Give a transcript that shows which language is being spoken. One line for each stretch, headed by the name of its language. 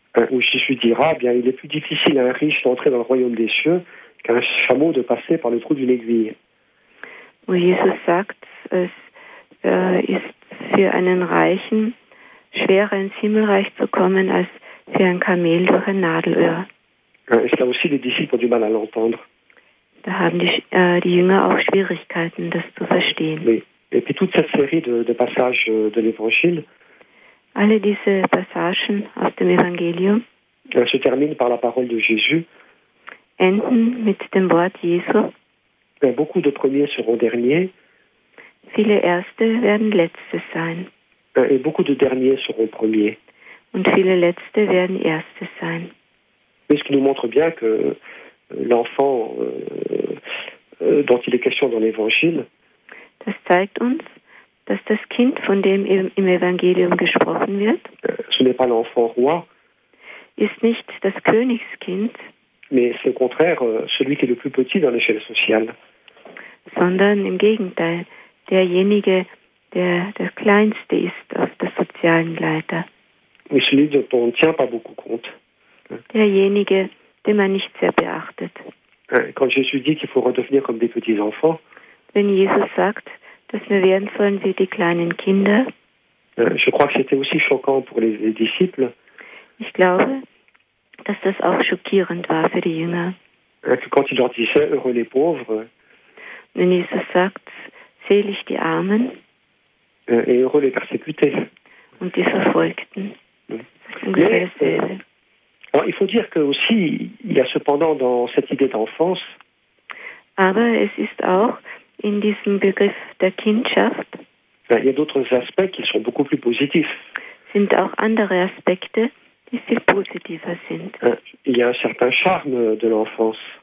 French: Où Jésus dira, bien, il est plus difficile à un riche d'entrer dans le royaume des cieux qu'à un chameau de passer par le trou d'une aiguille. Où
German: Jésus sagt, es ist für einen Reichen schwerer ins Himmelreich zu kommen als für ein Kamel durch ein Nadelöhr.
French: Et là aussi, les disciples ont du mal à l'entendre.
German: Da haben die Jünger auch Schwierigkeiten, das zu verstehen.
French: Oui. Et puis toute cette série de passages de l'Évangile.
German: Alle diese Passagen aus dem Evangelium.
French: Se terminent par la parole de Jésus.
German: Enden mit dem Wort Jesu.
French: Et beaucoup de premiers seront derniers.
German: Viele Erste werden Letzte sein.
French: Et beaucoup de derniers seront premiers.
German: Und viele Letzte werden Erste sein.
French: Et ce qui nous montre bien que l'enfant dont il est question dans l'Évangile.
German: Das zeigt uns, dass das Kind, von dem im Evangelium gesprochen wird,
French: ce n'est pas l'enfant roi,
German: ist nicht das Königskind,
French: mais c'est au contraire celui qui est le plus petit dans l'échelle sociale.
German: Sondern im Gegenteil, derjenige, der das Kleinste ist auf der sozialen Leiter.
French: Mais celui dont on ne tient pas beaucoup compte.
German: Derjenige, den man nicht sehr beachtet.
French: Quand Jésus dit qu'il faut redevenir comme des petits enfants,
German: wenn Jesus sagt, dass wir werden sollen wie die kleinen Kinder,
French: je crois que c'était aussi choquant pour les disciples.
German: Ich glaube, dass das auch schockierend war für die Jünger.
French: Quand il leur disait, heureux les pauvres,
German: wenn Jesus sagt, selig die Armen,
French: et heureux les persécutés,
German: und die Verfolgten,
French: Alors, il faut dire que aussi, il y a cependant dans cette idée d'enfance,
German: aber es ist auch in diesem Begriff der Kindschaft,
French: il y a d'autres aspects qui sont beaucoup plus positifs.
German: Sind auch andere Aspekte, die viel positiver sind.
French: Il y a un certain charme de l'enfance.